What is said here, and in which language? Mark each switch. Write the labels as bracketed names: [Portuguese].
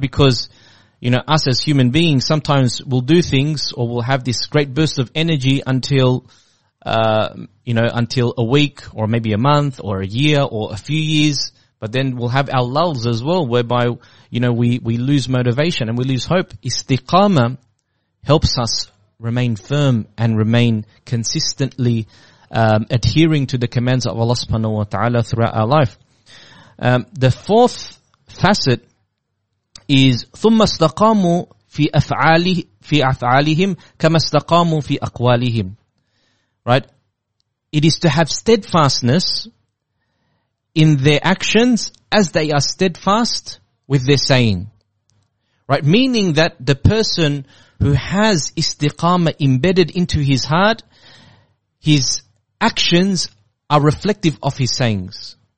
[English] Because, you know, us as human beings, sometimes we'll do things or we'll have this great burst of energy until, you know, until a week or maybe a month or a year or a few years. But then we'll have our lulls as well, whereby, you know, we lose motivation and we lose hope. Istiqama helps us remain firm and remain consistently adhering to the commands of Allah subhanahu wa ta'ala throughout our life. The fourth facet is [Arabic] ثُمَّ اسْتَقَامُوا فِي أَفْعَالِهِمْ كَمَا اسْتَقَامُوا فِي أَقْوَالِهِمْ. [English] Right? It is to have steadfastness in their actions as they are steadfast with their saying. Right? Meaning that the person who has istiqama embedded into his heart, his actions are reflective of his sayings.